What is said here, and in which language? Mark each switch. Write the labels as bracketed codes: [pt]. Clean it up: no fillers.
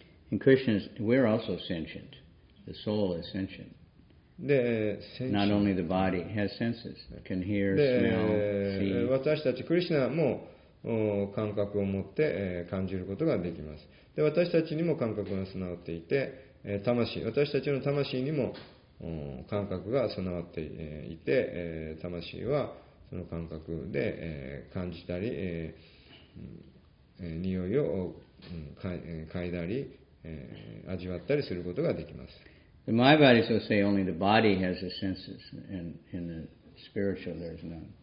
[en] In Krishna's, we're also sentient. The soul is sentient. で、 not only the body has senses, can hear, smell, see. [ja] 私たち、クリシナも感覚を持って感じることができます。で私たちにも感覚が備わっていて、魂、私たちの魂にも感覚が備わっていて、魂はその感覚で感じたり、匂いを嗅いだり、味わったりすることができます。 [en] The Mayavadis will say only the body has the senses, and in the spiritual there is none.